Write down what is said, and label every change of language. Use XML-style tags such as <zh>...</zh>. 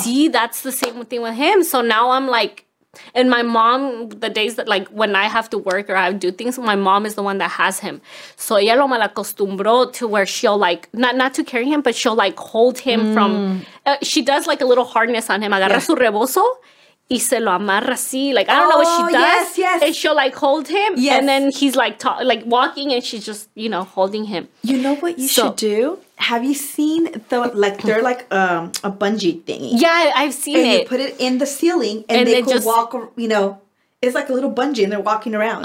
<en>See, that's the same thing with him. So now I'm like, and my mom, the days that, like, when I have to work or I do things, my mom is the one that has him. So</en> <es>ella lo malacostumbró</es> <en>to where she'll, like, not to carry him, but she'll, like, hold him from, she does, like, a little harness on him.</en> <es>Agarra su rebozo y se lo amarra así.</es> <en>Like, I don't know what she does. Yes, yes. And she'll, like, hold him. Yes. And then he's, like, walking and she's just, you know, holding him. You know what you should do? Have you seen the, like, they're like a bungee thingy? Yeah, I've seen and it. And you put it in the ceiling and they could walk, you know, it's like a little bungee and they're walking around.</en>